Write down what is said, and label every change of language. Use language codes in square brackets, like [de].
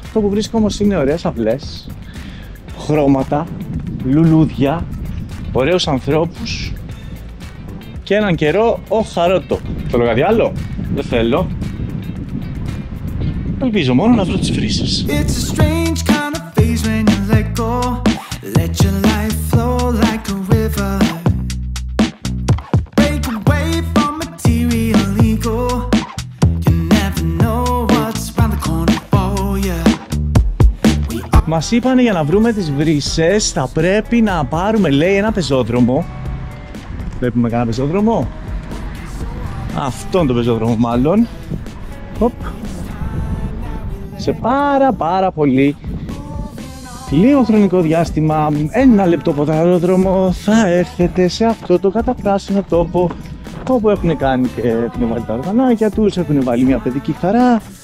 [el] Το που βρίσκω όμως είναι ωραίες αυλές, χρώματα, λουλούδια, ωραίους ανθρώπους και έναν καιρό ο Χαρότο. Θέλω κάτι άλλο? Δεν θέλω. Ελπίζω μόνο να βρω τις φρύσες. [en] It's a strange kind of phase when you let go. Let your life flow like a river. Break away from material ego. You never know what's around the corner for you. [el] Μας είπανε για να βρούμε τις φρύσες θα πρέπει να πάρουμε, λέει, ένα πεζόδρομο. Βλέπουμε κανένα πεζόδρομο? Αυτόν τον πεζόδρομο μάλλον. Οπ. Σε πάρα πολύ λίγο χρονικό διάστημα, ένα λεπτό ποδαρόδρομο, θα έρθετε σε αυτό το καταπράσινο τόπο όπου έχουν κάνει και έχουν βάλει τα οργανάκια τους, έχουν βάλει μια παιδική χαρά.